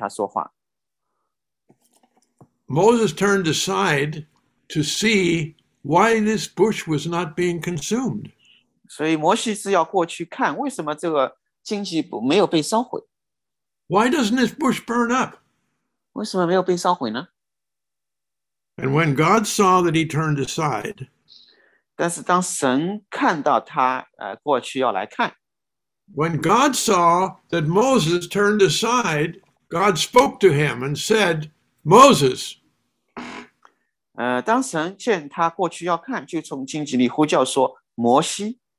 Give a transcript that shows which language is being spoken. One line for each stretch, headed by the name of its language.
Chinese: 摩西想就是要来看一下，然后神呢就开始对他说话。Moses
English: turned aside to see why this bush was not being consumed.
Chinese: 所以摩西是要过去看为什么这个荆棘没有被烧毁。
English: Why doesn't this bush burn up?
Chinese: 为什么没有被烧毁呢？
English: And when God saw that he turned aside,
Chinese: 但是当神看到他过去要来看。
English: When God saw that Moses turned aside, God spoke to him and said, Moses.
Chinese: 当神见他过去要看，就从荆棘里呼叫说，摩西。